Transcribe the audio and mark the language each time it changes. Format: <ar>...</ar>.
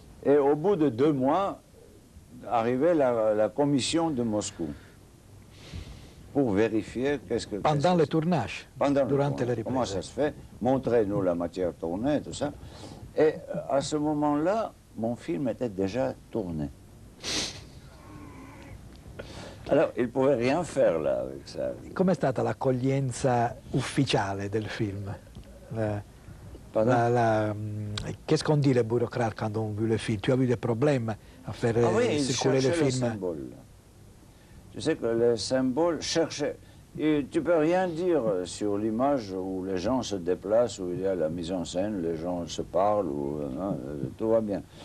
<fr>Et au bout de 2 mois, arrivait la commission de Moscou pour vérifier qu'est-ce que... Pendant le tournage, durant les reprises. Comment ça se fait? Montrez-nous la matière tournée, tout ça. Et à ce moment-là, mon film était déjà tourné. Alors, il ne pouvait rien faire là avec ça.</fr> <it>Com'è stata l'accoglienza ufficiale del film?</it> <fr>Qu'est-ce qu'on dit les bureaucrates quand on vu le film?</fr> <it>Tu as eu des problèmes à faire circuler le film?</it> <fr>Ah oui, ils cherchaient le symbole. Tu sais que le symbole cherchait... Et tu ne peux rien dire sur l'image où les gens se déplacent, où il y a la mise en scène, les gens se parlent, où, hein, tout va bien.</fr>